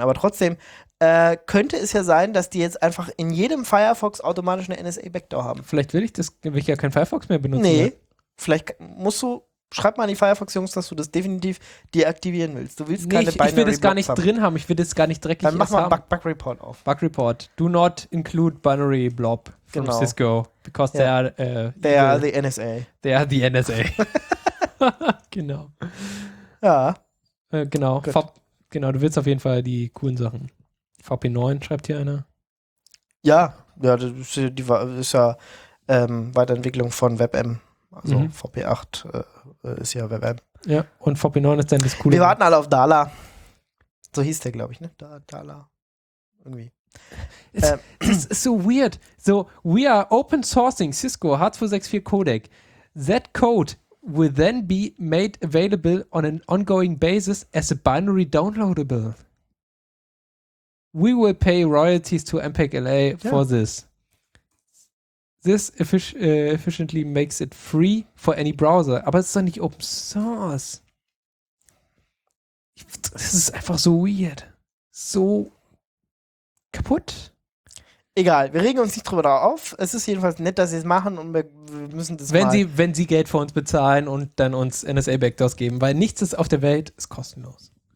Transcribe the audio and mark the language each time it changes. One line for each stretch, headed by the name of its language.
German: Aber trotzdem könnte es ja sein, dass die jetzt einfach in jedem Firefox automatisch eine NSA-Backdoor haben. Vielleicht will ich ja kein Firefox mehr benutzen. Nee, mehr. Vielleicht musst du, schreib mal an die Firefox-Jungs, dass du das definitiv deaktivieren willst. Du willst keine Binary-Blobs haben. Ich will das gar nicht drin haben, ich will das gar nicht dreckig haben. Dann mach mal Bug-Report auf. Bug-Report.
English: Do not include Binary-Blob. From Cisco, because they are the NSA. They are the NSA.
German: Genau. Ja. Genau. Genau, du willst auf jeden Fall die coolen Sachen. VP9 schreibt hier einer. Ja, ja, das ist ja Weiterentwicklung von WebM. Also VP8 ist ja WebM. Ja, und VP9 ist dann das coole. Wir warten alle auf Dala. So hieß der, glaube ich, ne? Dala. Irgendwie. Es ist so weird.
English: So, we are open sourcing Cisco H264 Codec. That code will then be made available on an ongoing basis as a binary downloadable. We will pay royalties to MPEG-LA for this. This efficiently makes it free for any browser.
German: Aber es ist doch nicht open source. Es ist einfach so weird. So kaputt. Egal, wir regen uns nicht drüber da auf. Es ist jedenfalls nett, dass sie es machen und wir müssen das wenn mal. Wenn sie Geld für uns bezahlen und dann uns NSA-Backdoors geben, weil nichts ist auf der Welt ist kostenlos.